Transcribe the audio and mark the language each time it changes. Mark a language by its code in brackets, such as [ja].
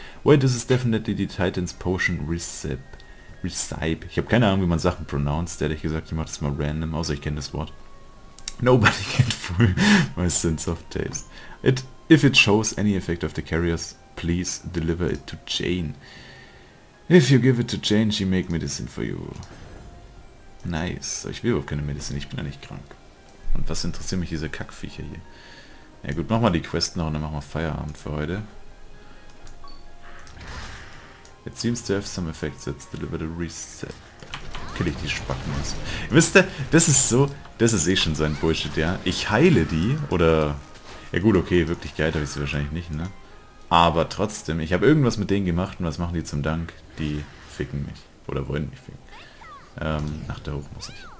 [en] Wait, this is definitely the Titan's potion recipe. Recipe. [de] Ich habe keine Ahnung, wie man Sachen pronounced, ehrlich gesagt, ich mache das mal random, außer ich kenne das Wort. [en] Nobody can fool my sense of taste. If it shows any effect of the carriers, please deliver it to Jane. If you give it to Jane, she make medicine for you. Nice. [de] Ich will überhaupt keine Medizin, ich bin ja nicht krank. Und was interessiert mich diese Kackviecher hier? Ja gut, mach mal die Quest noch und dann machen wir Feierabend für heute. [en] It seems to have some effects, let's deliver the reset. [de] Kill ich die Spacken aus. Wisst ihr, das ist so, das ist eh schon so ein Bullshit, ja. Ich heile die, oder... Ja gut, okay, wirklich geil habe ich sie wahrscheinlich nicht, ne? Aber trotzdem, ich habe irgendwas mit denen gemacht und was machen die zum Dank? Die ficken mich. Oder wollen mich ficken. Ach, da hoch muss ich.